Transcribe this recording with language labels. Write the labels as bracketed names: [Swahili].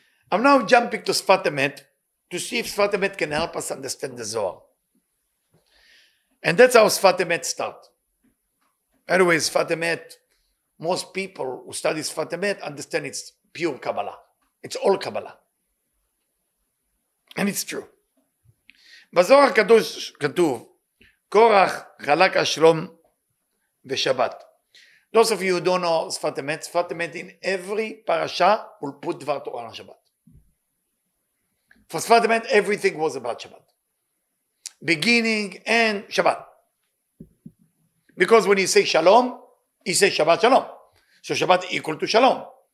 [English] I'm now jumping to Sfat Emet to see if Sfat Emet can help us understand the Zohar. And that's how Sfat Emet starts. Anyway, Sfat Emet, most people who study Sfat Emet understand it's pure Kabbalah. It's all Kabbalah. And it's true. [Hebrew] בזוהר הקדוש כתוב, קורח חלק השלום ושבת. [English] Those of you who don't know Sfat Emet, Sfat Emet in every parasha will put Dvar Torah on Shabbat. For Sfat Emet, everything was about Shabbat. Beginning and Shabbat. Because when you say Shalom, you say Shabbat Shalom. So Shabbat equal to Shalom.